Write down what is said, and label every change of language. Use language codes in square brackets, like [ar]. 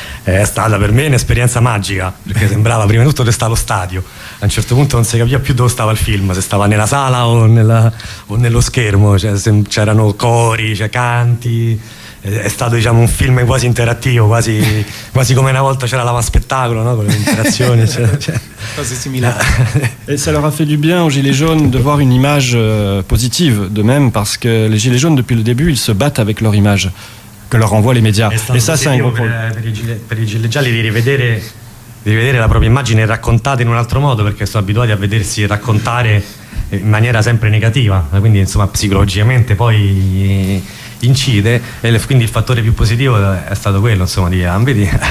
[it] È stata per me un'esperienza magica, perché sembrava prima di tutto che stava lo stadio. A un certo punto non si capiva più dove stava il film, se stava nella sala o nello schermo, cioè c'erano cori, cioè canti. È stato diciamo un film quasi interattivo, quasi come una volta c'era la spettacolo, no, con le interazioni cose simili. [fr] Et ça leur a fait du bien aux gilets jaunes de voir une image positive de même, parce que les gilets jaunes depuis le début ils se battent avec leur image que leur envoient les médias. Et ça c'est un gros [it] per i gilet gialli di rivedere la propria immagine raccontata in un altro modo, perché sono abituati a vedersi raccontare in maniera sempre negativa, quindi insomma psicologicamente poi incide, e quindi il fattore più positivo è stato quello, insomma, di ambiti.